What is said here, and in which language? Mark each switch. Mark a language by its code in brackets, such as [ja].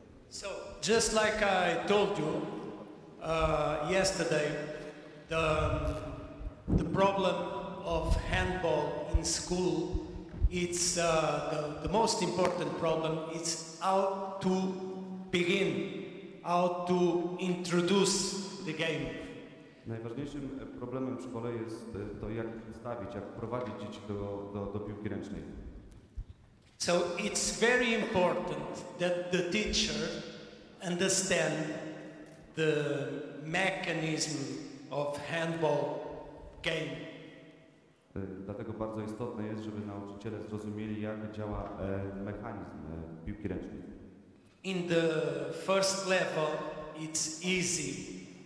[en] So, just like I told you yesterday, the problem of handball in school, it's the most important problem. It's how to begin, how to introduce the game. [pl] Najważniejszym problemem w szkole jest to, jak wstawić, jak wprowadzić dzieci do piłki ręcznej. [en] So it's very important that the teacher understand the mechanism of handball game. [pl] Dlatego bardzo istotne jest, żeby nauczyciele zrozumieli, jak działa mechanizm piłki ręcznej. [en] In the first level it's easy.